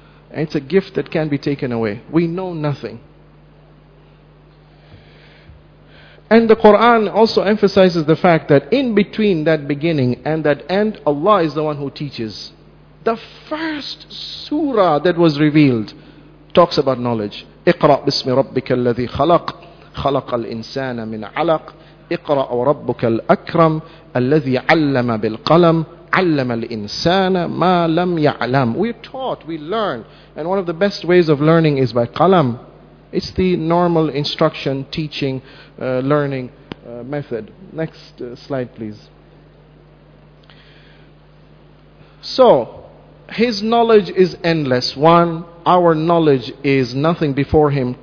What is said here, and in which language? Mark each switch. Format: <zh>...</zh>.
<en>And it's a gift that can be taken away. We know nothing. And the Quran also emphasizes the fact that in between that beginning and that end, Allah is the one who teaches. The first surah that was revealed talks about knowledge.</en> <ar>اقرأ بسم ربك الذي خلق خلق الإنسان من علق اقرأ ربك الأكرم الذي علم بالقلم علم الإنسان ما لم يعلم.</ar> <en>We're taught, we learn. And one of the best ways of learning is by قلم. It's the normal instruction, teaching, learning method. Next slide, please. So, his knowledge is endless. One, our knowledge is nothing before him.</en>